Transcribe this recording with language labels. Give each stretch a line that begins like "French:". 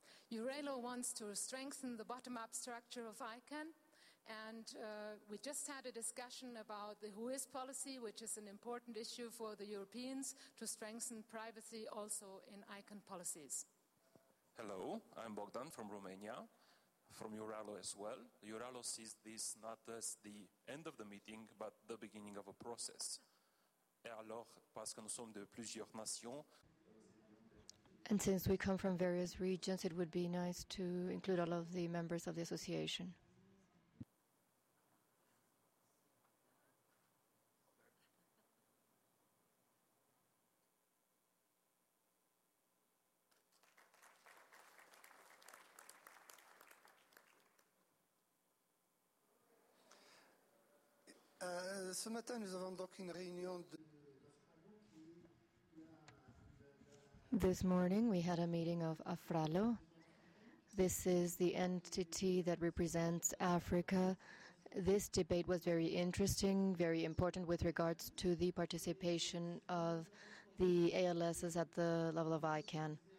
English: URALO wants to strengthen the bottom-up structure of ICANN, and we just had a discussion about the WHOIS policy, which is an important issue for the Europeans, to strengthen privacy also in ICANN policies. Hello, I'm Bogdan from Romania, from URALO as well. URALO sees this not as the end of the meeting, but the beginning of a process.
French: Et alors, parce que nous sommes de plusieurs nations.
English: And since we come from various regions, it would be nice to include all of the members of the association.
French: Ce matin, nous avons donc une réunion de...
English: This morning we had a meeting of AFRALO. This is the entity that represents Africa. This debate was very interesting, very important with regards to the participation of the ALSs at the level of ICANN.